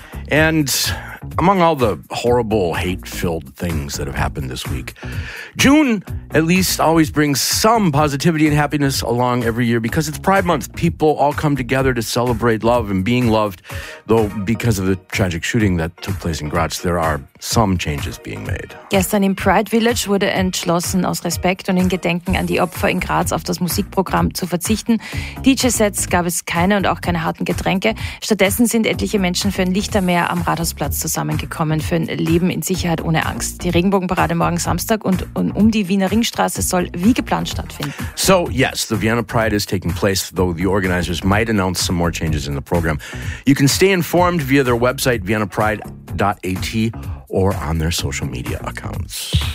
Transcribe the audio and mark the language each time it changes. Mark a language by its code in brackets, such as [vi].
[en] And among all the horrible, hate-filled things that have happened this week, June at least always brings some positivity and happiness along every year because it's Pride Month. People all come together to celebrate love and being loved, though because of the tragic shooting that took place in Graz, there are some changes being made. [de] Gestern im Pride Village wurde entschlossen, aus Respekt und in Gedenken an die Opfer in Graz auf das Musikprogramm zu verzichten. DJ-Sets gab es keine und auch keine harten Getränke. Stattdessen sind etliche Menschen für ein Lichtermeer am Rathausplatz zusammengekommen, für ein Leben in Sicherheit ohne Angst. Die Regenbogenparade morgen Samstag und um die Wiener Ringstraße soll wie geplant stattfinden. [en] So, yes, the Vienna Pride is taking place, though the organizers might announce some more changes in the program. You can stay informed via their website, viennapride.at, or on their social media accounts.